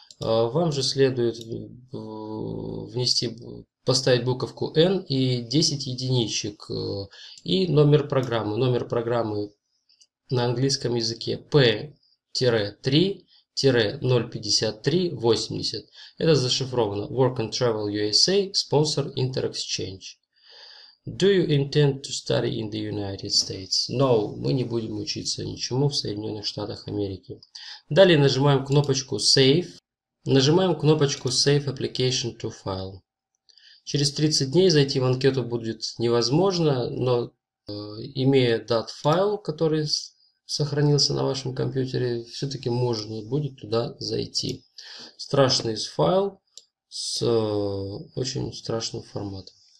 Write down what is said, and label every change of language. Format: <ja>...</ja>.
<ru>Вам же следует внести, поставить буковку N и 10 единичек. И номер программы. Номер программы на английском языке P-3-0-53-80. Это зашифровано Work and Travel USA, Sponsor InterExchange.</ru> <en>Do you intend to study in the United States?</en> <ru>No, мы не будем учиться ничему в Соединенных Штатах Америки. Далее нажимаем кнопочку Save. Нажимаем кнопочку Save Application to File. Через 30 дней зайти в анкету будет невозможно, но имея .dat файл, который сохранился на вашем компьютере, все-таки можно будет туда зайти. Страшный файл с очень страшным форматом.</ru>